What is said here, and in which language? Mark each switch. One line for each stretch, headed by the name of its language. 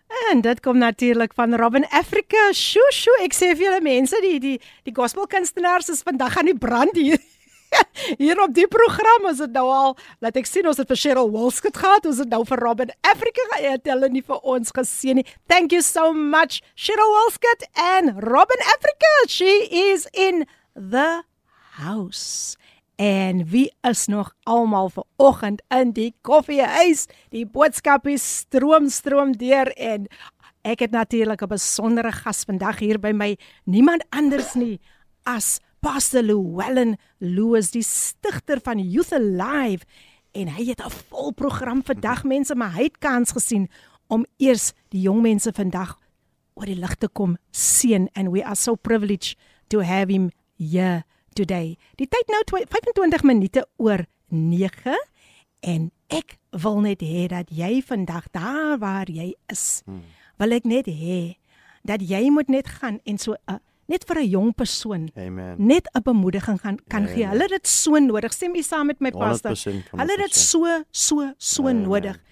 Afrikaans: En dit kom natuurlik van Robin Africa. Shoo, shoo. Ek sê vir julle mense, die gospelkunstenaars is vandag aan die brand hier. Hier op die program is het nou al, laat ek sien, ons het vir Cheryl Wolskut gehad, ons het nou vir Robin Africa gehad, hulle nie vir ons gesien nie.
English: Thank you so much, Cheryl Wolskut en Robin Africa, she is in the house.
Afrikaans: En wie is nog almal vir oggend in die koffiehuis, die boodskapies stroom deur en ek het natuurlik 'n besondere gas vandag hier by my, niemand anders nie as Pastor Llewellyn Lewis, die stichter van Youth Alive. En hy het 'n vol program vir dagmense, maar hy het kans gesien om eers die jongmense vandag oor die lig te kom seën.
English: And we are so privileged to have him here today.
Afrikaans: Die tyd nou 25 minute oor 9. En ek wil net hê dat jy vandag daar waar jy is, wil ek net hê dat jy moet net gaan en so net vir 'n jong persoon. Amen. Net 'n bemoediging kan gee. Hulle het dit so nodig. Stem jy saam met my pastor? Hulle het dit so Amen. Nodig.